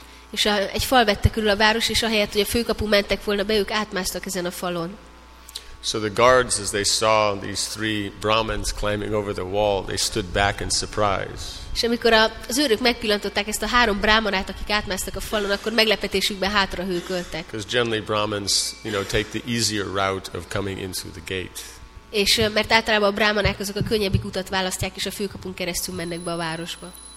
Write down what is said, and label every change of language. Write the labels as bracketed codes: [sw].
[hu] és egy fal vette körül a város, és ahelyett, hogy a főkapu mentek volna be, ők átmásztak ezen a falon. [en] So the guards, as they saw these three Brahmins climbing over the wall, they stood back in surprise. [hu] És amikor az őrök megpillantották ezt a három brahmanát, akik átmásztak a falon, akkor meglepetésükbe hátra hőköltek. [en] Because generally Brahmins, you know, take the easier route of coming into the gate. [hu] És mert általában a brahmanák azok a könnyebbik utat választják, és a főkapun keresztül mennek be a városba.